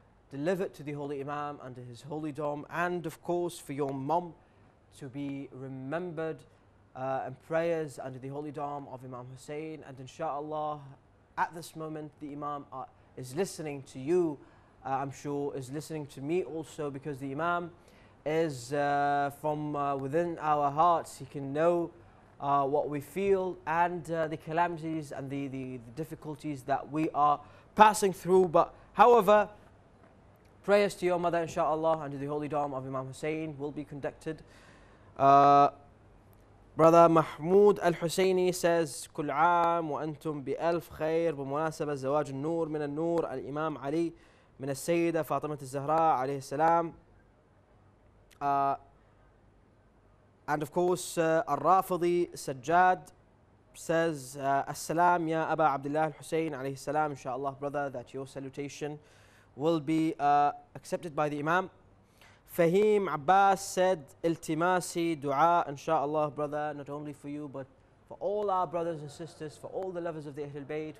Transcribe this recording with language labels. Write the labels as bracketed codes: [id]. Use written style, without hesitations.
[en] delivered to the Holy Imam under his holy dome, and of course for your mom to be remembered in prayers under the holy dome of Imam Hussein, and inshallah, at this moment, the Imam is listening to you, I'm sure, is listening to me also, because the Imam is from within our hearts. He can know what we feel and the calamities and the difficulties that we are passing through. But however, prayers to your mother, inshallah, under the holy dome of Imam Hussein will be conducted. Brother Mahmoud Al-Husseini says, [ar] كل عام وأنتم بألف خير بمناسبة زواج النور من النور الإمام علي من السيدة فاطمة الزهراء عليه السلام. [en] And of course, Al-Rafidi Sajjad says, [ar] السلام يا أبا عبد الله الحسين عليه السلام, [en] inshallah, brother, that your salutation will be accepted by the Imam. Fahim Abbas said, Iltimasi dua, inshallah, brother, not only for you, but for all our brothers and sisters, for all the lovers of the Ahlul Bayt.